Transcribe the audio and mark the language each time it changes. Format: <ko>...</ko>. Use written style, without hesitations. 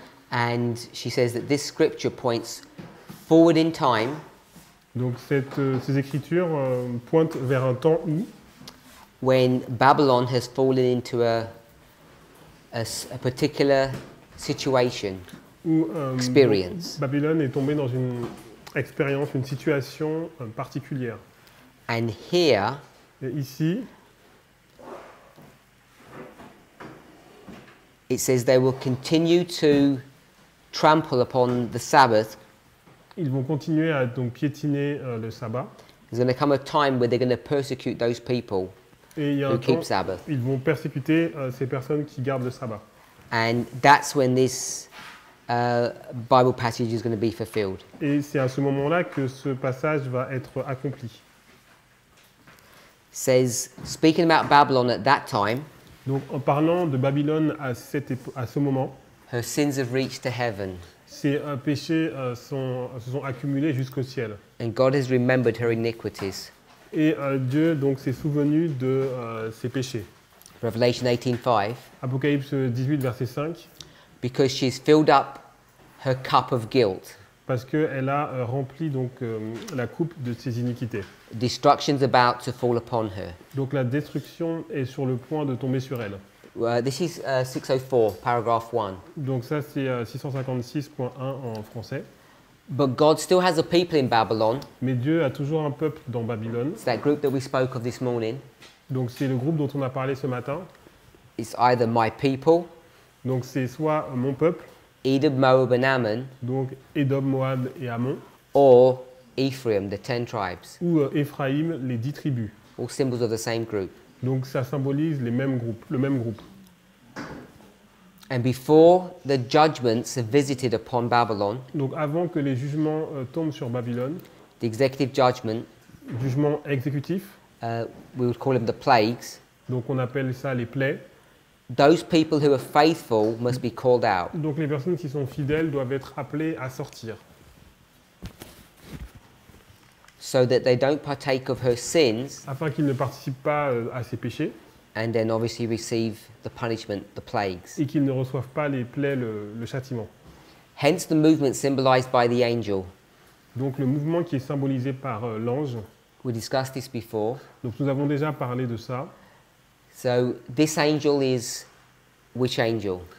<en>And she says that this scripture points forward in time.</en> <fr>Donc ces écritures pointent vers un temps où.</fr> <en>When Babylon has fallen into a particular situation. Où experience.</en> <fr>Babylone est tombée dans une expérience, une situation particulière.</fr> <en>And here,</en> <fr>et ici,</fr> <en>it says they will continue to trample upon the Sabbath.</en> <fr>Ils vont continuer à donc piétiner le sabbat.</fr> <en>There's going to come a time where they're going to persecute those people who keep Sabbath.</en> <fr>Ils vont persécuter ces personnes qui gardent le sabbat.</fr> <en>And that's when this Bible passage is going to be fulfilled.</en> <fr>Et c'est à ce moment-là que ce passage va être accompli.</fr> <en>Says speaking about Babylon at that time.</en> <fr>Donc en parlant de Babylone à ce moment.</fr> <en>Her sins have reached to heaven.</en> <fr>Ses péchés se sont accumulés jusqu'au ciel.</fr> <en>And God has remembered her iniquities.</en> <fr>Et Dieu donc s'est souvenu de ses péchés.</fr> <en>Revelation 18:5.</en> <fr>Apocalypse 18 verset 5.</fr> <en>Because she's filled up her cup of guilt.</en> <fr>Parce que elle a rempli donc la coupe de ses iniquités.</fr> <en>Destruction's about to fall upon her.</en> <fr>Donc la destruction est sur le point de tomber sur elle.</fr> <en>This is 604 paragraph 1.</en> <fr>Donc ça c'est 656.1 en français.</fr> <en>But God still has a people in Babylon.</en> <fr>Mais Dieu a toujours un peuple dans Babylone.</fr> <en>It's that group that we spoke of this morning.</en> <fr>Donc c'est le groupe dont on a parlé ce matin.</fr> <en>It's either my people.</en> <fr>Donc c'est soit mon peuple.</fr> <en>Edom, Moab and Ammon.</en> <fr>Donc Edom, Moab et Ammon.</fr> <en>Or Ephraim, the 10 tribes.</en> <fr>Ou Ephraim, les 10 tribus.</fr> <en>All symbols of the same group.</en> <fr>Donc ça symbolise le même groupe.</fr> <en>And before the judgments are visited upon Babylon.</en> <fr>Donc avant que les jugements tombent sur Babylone.</fr> <en>The executive judgment.</en> <fr>Jugement exécutif.</fr> <en>We would call them the plagues.</en> <fr>Donc on appelle ça les plaies.</fr> <en>Those people who are faithful must be called out.</en> <fr>Donc les personnes qui sont fidèles doivent être appelées à sortir.</fr> <en>So that they don't partake of her sins.</en> <fr>Afin qu'ils ne participent pas à ses péchés.</fr> <en>And then obviously receive the punishment, the plagues.</en> <fr>Et qu'ils ne reçoivent pas les plaies, le châtiment.</fr> <en>Hence the movement symbolized by the angel.</en> <fr>Donc le mouvement qui est symbolisé par l'ange.</fr> <en>We discussed this before.</en> <fr>Donc nous avons déjà parlé de ça.</fr> <en>So this angel is which angel?</en>